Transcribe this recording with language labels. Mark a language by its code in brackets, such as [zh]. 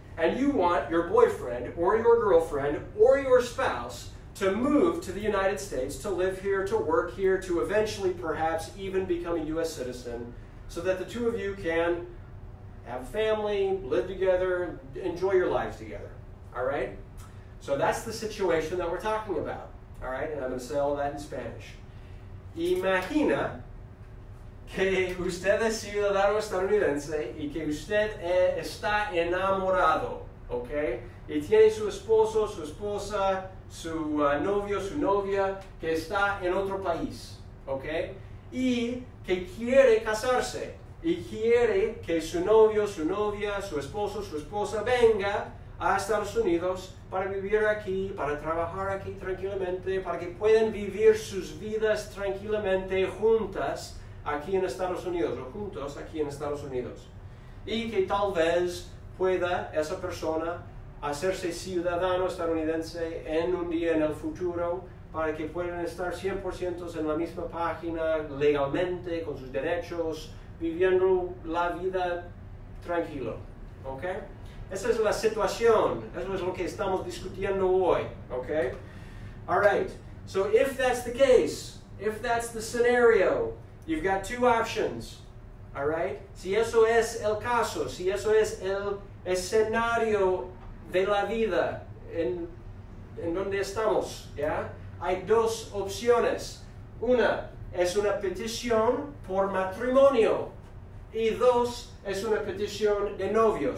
[en] And you want your boyfriend or your girlfriend or your spouse to move to the United States, to live here, to work here, to eventually perhaps even become a U.S. citizen, so that the two of you can have family, live together, enjoy your lives together. All right? So that's the situation that we're talking about, all right? And I'm going to say all that in Spanish. [es] Imagina que usted es ciudadano estadounidense y que usted está enamorado, ¿ok? Y tiene su esposo, su esposa, su novio, su novia, que está en otro país, ¿ok? Y que quiere casarse y quiere que su novio, su novia, su esposo, su esposa venga a Estados Unidos para vivir aquí, para trabajar aquí tranquilamente, para que puedan vivir sus vidas tranquilamente juntas aquí en Estados Unidos, o juntos aquí en Estados Unidos. Y que tal vez pueda esa persona hacerse ciudadano estadounidense en un día en el futuro, para que puedan estar 100% en la misma página, legalmente, con sus derechos, viviendo la vida tranquilo, ¿ok? Esa es la situación, eso es lo que estamos discutiendo hoy, ¿ok? [en] All right, so if that's the case, if that's the scenario, you've got two options, all right? [es] Si eso es el caso, si eso es el escenario de la vida en donde estamos, ¿ya? Hay dos opciones. Una es una petición por matrimonio y dos es una petición de novios.